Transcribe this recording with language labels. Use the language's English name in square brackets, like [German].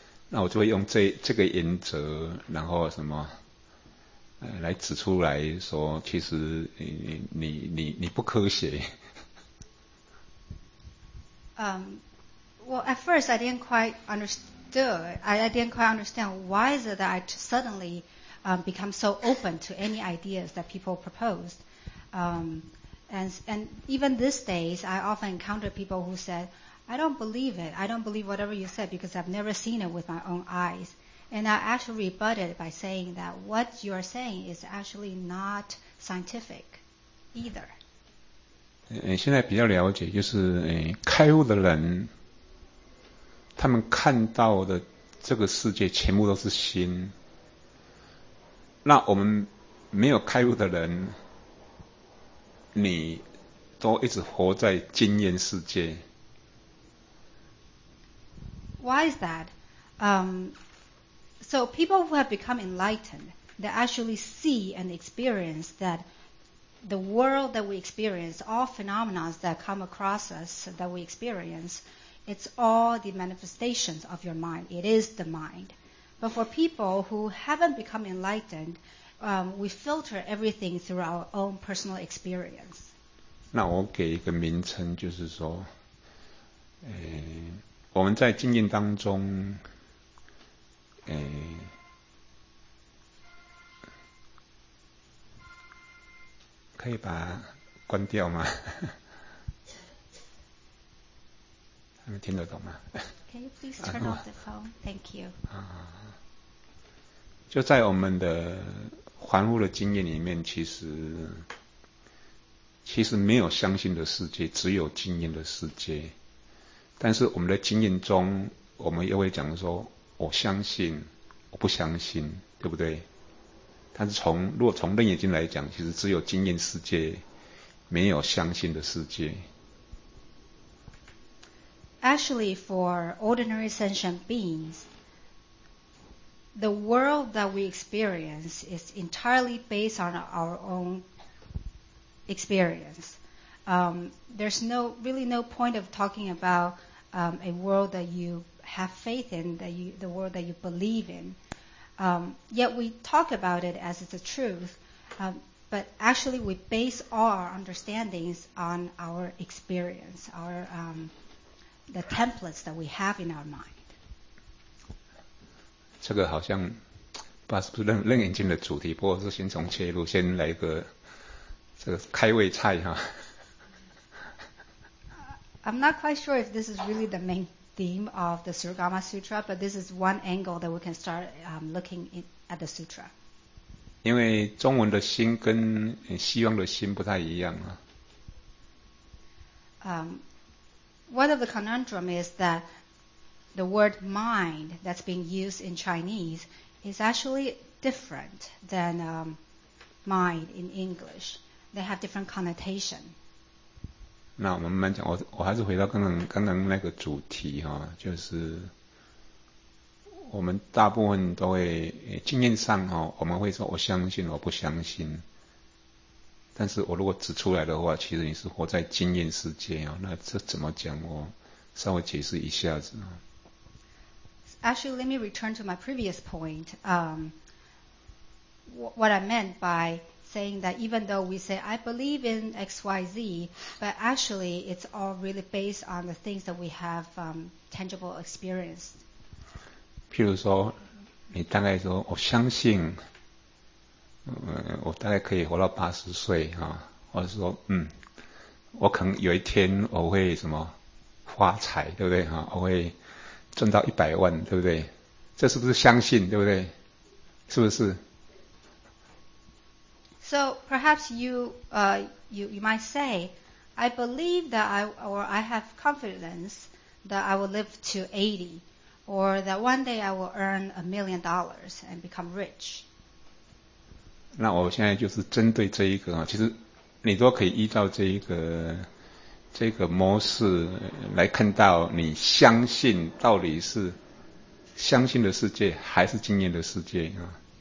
[Chinese] 那我就会用这个原则，然后什么，来指出来说，其实你不科学。 [English] Well, at first I didn't quite understand. I didn't quite understand why is it that I suddenly become so open to any ideas that people proposed. And even these days, I often encounter people who said, I don't believe it. I don't believe whatever you said because I've never seen it with my own eyes. And I actually rebut it by saying that what you're saying is actually not scientific either. [Chinese] 现在比较了解就是开悟的人他们看到的这个世界全部都是心，那我们没有开悟的人，你都一直活在经验世界。 [English] Why is that? So people who have become enlightened, they actually see and experience that the world that we experience, all phenomena that come across us that we experience,It's all the manifestations of your mind. It is the mind. But for people who haven't become enlightened, we filter everything through our own personal experience. [Chinese] 那我给一个名称，就是说，我们在经验当中，可以把关掉吗？你们听得懂吗 [English] ？Can you please turn off the phone? Thank you. [Chinese] 就在我们的凡夫的经验里面，其实没有相信的世界，只有经验的世界。但是我们的经验中，我们又会讲说，我相信，我不相信，对不对？但是如果从楞严经来讲，其实只有经验世界，没有相信的世界。 [English] Actually, for ordinary sentient beings, the world that we experience is entirely based on our own experience. There's no point of talking about a world that you have faith in, the world that you believe in. Yet we talk about it as it's a truth, but actually we base all our understandings on our experience, the templates that we have in our mind. [Chinese] 这个好像不知道是不是楞严经的主题，不过是先从切入，先来个这个开胃菜哈。 [English] I'm not quite sure if this is really the main theme of the Surugama Sutra, but this is one angle that we can start looking at the sutra. [Chinese] 因为中文的心跟西方的心不太一样啊。 [English] One of the conundrum is that the word mind that's being used in Chinese is actually different than mind in English. They have different connotation. [Chinese] 那我们慢慢讲，我还是回到刚刚那个主题哈，就是我们大部分都会经验上哈，我们会说我相信，我不相信。但是我如果指出来的话，其实你是活在经验世界啊。那这怎么讲？我稍微解释一下子啊。 [English] Actually, let me return to my previous point. What I meant by saying that even though we say, I believe in XYZ, but actually it's all really based on the things that we have tangible experience. [Chinese] 譬如说你大概说我相信、我大概可以活到八十岁啊，或者说我可能有一天我会什么发财，对不对啊？我会赚到一百万，对不对？这是不是相信，对不对？是不是？ [English] So perhaps you might say, I believe that I have confidence that I will live to 80, or that one day I will earn $1 million and become rich. [Chinese] 那我现在就是针对这一个，其实你都可以依照这个模式来看到你相信到底是相信的世界还是经验的世界啊。